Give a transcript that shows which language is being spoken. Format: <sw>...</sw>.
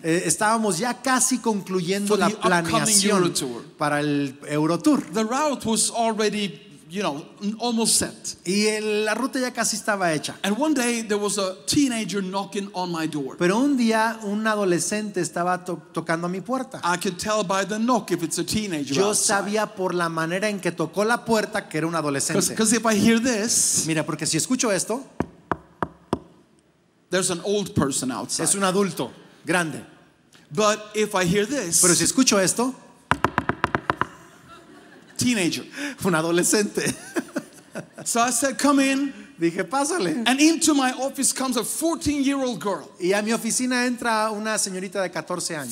<es>Estábamos ya casi concluyendo la planeación para el Eurotour.</es> <en>The route was already, you know, almost set.</en> <es>Y la ruta ya casi estaba hecha.</es> <en>And one day there was a teenager knocking on my door.</en> <es>Pero un día un adolescente estaba tocando a mi puerta.</es> <en>I could tell by the knock if it's a teenager.</en> <es>Yo sabía por la manera en que tocó la puerta que era un adolescente.</es> <en>Because if I hear this.</en> <es>Mira, porque si escucho esto.</es> <en>There's an old person outside.</en> <es>Es un adulto grande.</es> <en>But if I hear this,</en> <es>pero si escucho esto,</es> <en>teenager.</en> <es>Un adolescente.</es> <en>So I said, come in.</en> <es>Dije, pásale.</es> <en>And into my office comes a 14-year-old girl.</en> <es>Y a mi oficina entra una señorita de 14 años.</es>